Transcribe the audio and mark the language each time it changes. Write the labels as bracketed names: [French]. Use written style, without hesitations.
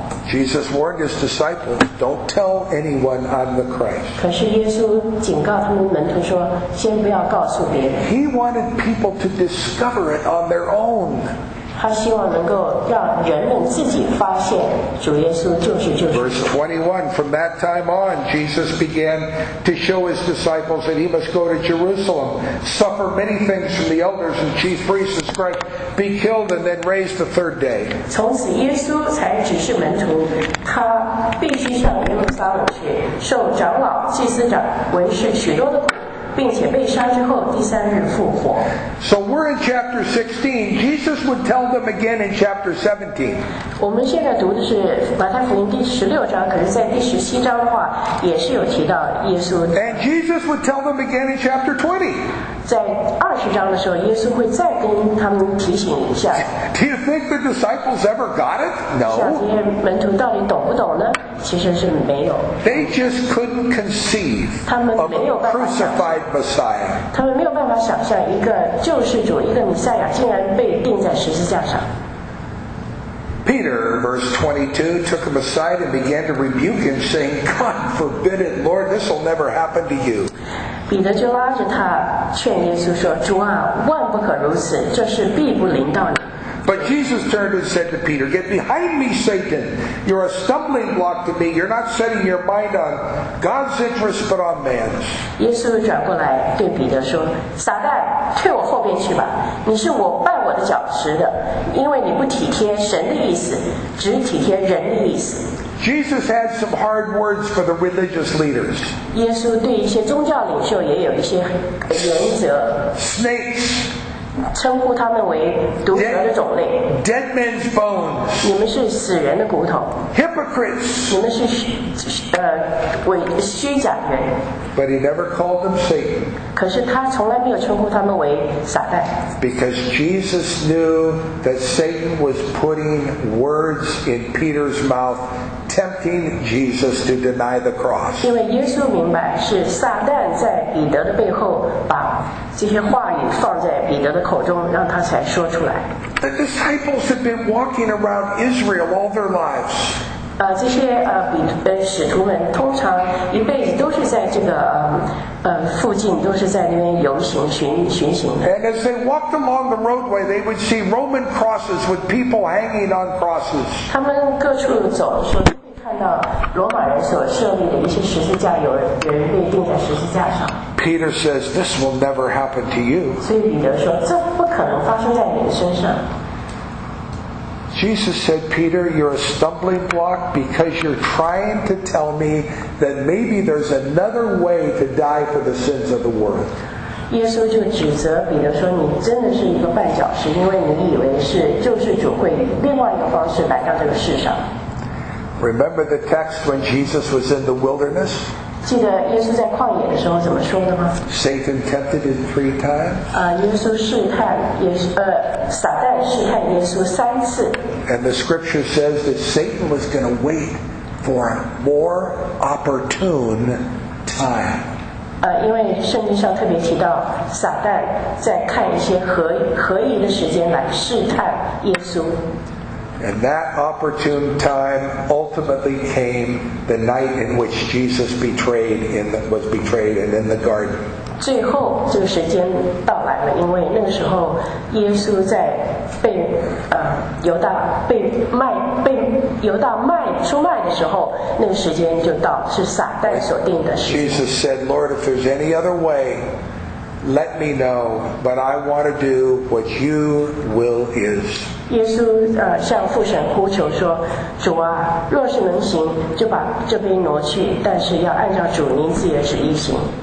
[English] Jesus warned his disciples, "Don't tell anyone I'm the Christ." [Chinese] 可是耶稣警告他们门徒说，先不要告诉别人。 [English] He wanted people to discover it on their own. [Chinese] 他希望能够让人们自己发现主耶稣就是救主。 [English] Verse 21, from that time on, Jesus began to show his disciples that he must go to Jerusalem, suffer many things from the elders and chief priests and scribes. Be killed and then raised the third day. [Chinese] 从此耶稣才指示门徒，他必须上耶路撒冷去，受长老、祭司长、文士许多的苦，并且被杀之后，第三日复活。 [English] So we're in chapter 16. Jesus would tell them again in chapter 17. [Chinese] 我们现在读的是马太福音第十六章，可是在第十七章的话，也是有提到耶稣。 [English] And Jesus would tell them again in chapter 20. [Chinese] 在二十章的时候，耶稣会再跟他们提醒一下。 [English] Do you think the disciples ever got it? No. [Chinese] 这些门徒到底懂不懂呢？其实是没有。 [English] They just couldn't conceive of a crucified Messiah. [Chinese] 他们没有办法想象一个救世主，一个弥赛亚竟然被钉在十字架上。 [English] Peter, verse 22, took him aside and began to rebuke him, saying, "God forbid it, Lord. This will never happen to you." [Chinese] 彼得就拉着他劝耶稣说，主啊，万不可如此，这事必不临到你。 [English] But Jesus turned and said to Peter, Get behind me, Satan. You're a stumbling block to me. You're not setting your mind on God's interest, but on man's. [Chinese] 耶稣转过来对彼得说，撒旦，退我后边去吧，你是我绊我的脚石的，因为你不体贴神的意思，只体贴人的意思。 [English] Jesus had some hard words for the religious leaders. [Chinese] 耶稣对一些宗教领袖也有一些原则。 [English] Snakes. [Chinese] 称呼他们为毒蛇的种类。 [English] Dead men's bones. [Chinese] 你们是死人的骨头。 [English] Hypocrites. [Chinese] 你们是虚假人。 [English] But he never called them Satan. [Chinese] 可是他从来没有称呼他们为撒旦。 [English] Because Jesus knew that Satan was putting words in Peter's mouth. Tempting Jesus to deny the cross. [Chinese] 因为耶稣明白是撒旦在彼得的背后把这些话语放在彼得的口中，让他才说出来。 [English] The disciples have been walking around Israel all their lives. [Chinese] 这些使徒们通常一辈子都是在这个附近，都是在那边游行巡行的。 [English] And as they walked along the roadway, they would see Roman crosses with people hanging on crosses. [Chinese] 他们各处走的时候。看到罗马人所设立的一些十字架，有人被钉在十字架上。 [English] Peter says, "This will never happen to you." [Chinese] 所以彼得说，这不可能发生在你的身上。 [English] Jesus said, Peter, you're a stumbling block because you're trying to tell me that maybe there's another way to die for the sins of the world. [Chinese] 耶稣就指责彼得说，你真的是一个绊脚石，因为你以为是救世主会另外一个方式来到这个世上。 [English] Remember the text when Jesus was in the wilderness? [Chinese] 记得耶稣在旷野的时候怎么说的吗？ [English] Satan tempted him three times. [Chinese] 耶稣试探耶稣，撒旦试探耶稣三次。 [English] And the scripture says that Satan was going to wait for a more opportune time. [Chinese] 因为圣经上特别提到撒旦在看一些合宜的时间来试探耶稣。 [English] And that opportune time ultimately came the night in which Jesus betrayed and was betrayed and in the garden. [Chinese] 最后这个时间到来了，因为那个时候耶稣在被犹大被卖被犹大卖出卖的时候，那个时间就到，是撒旦所定的时间。 [English] Jesus said, "Lord, if there's any other way, let me know, but I want to do what you will is." [Chinese] 耶稣向父神呼求说，主啊，若是能行，就把这杯挪去，但是要按照主您自己的旨意行。